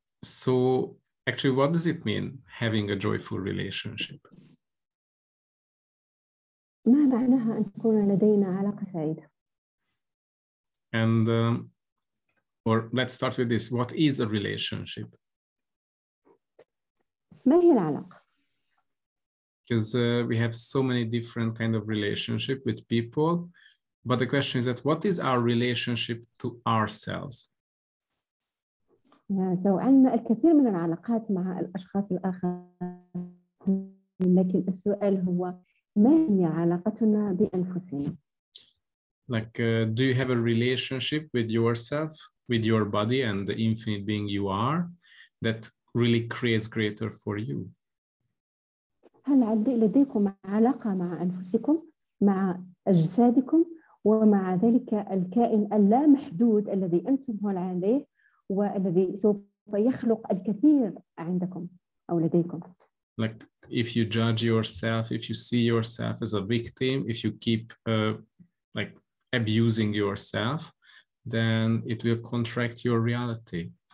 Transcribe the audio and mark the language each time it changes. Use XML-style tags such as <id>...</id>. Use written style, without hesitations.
<en>So actually, what does it mean having a joyful relationship?</en> <ar>ما معناها أن تكون لدينا علاقة سعيدة؟</ar> <en>And or let's start with this. What is a relationship?</en> <ar>ما هي العلاقة؟</ar> <en>Because we have so many different kind of relationship with people, but the question is that what is our relationship to ourselves?</en> <ar>So عندنا الكثير من العلاقات مع الأشخاص الآخرين، لكن السؤال هو ما هي علاقتنا بأنفسنا؟</ar> <en>Like, do you have a relationship with yourself, with your body and the infinite being you are that really creates greater for you?</en> <ar>هل لديكم علاقة مع أنفسكم، مع أجسادكم، ومع ذلك الكائن اللامحدود الذي أنتم هو عليه والذي سوف يخلق الكثير عندكم أو لديكم؟</ar> <en>Like, if you judge yourself, if you see yourself as a victim, if you keep, like, abusing yourself, then it will contract your reality.</en>